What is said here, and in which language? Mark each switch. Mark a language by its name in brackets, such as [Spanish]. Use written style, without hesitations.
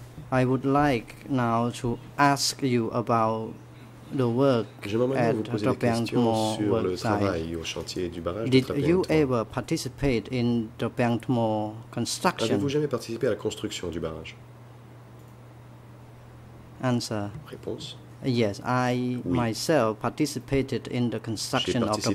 [English] I would like now to ask you about the work at Dropeyangtmo's work site. Did you ever participate in Dropeyangtmo's construction? [French] Avez-vous jamais participé à la construction du barrage? [English] Answer. [French] Réponse. [English] Yes, I myself participated in the construction of the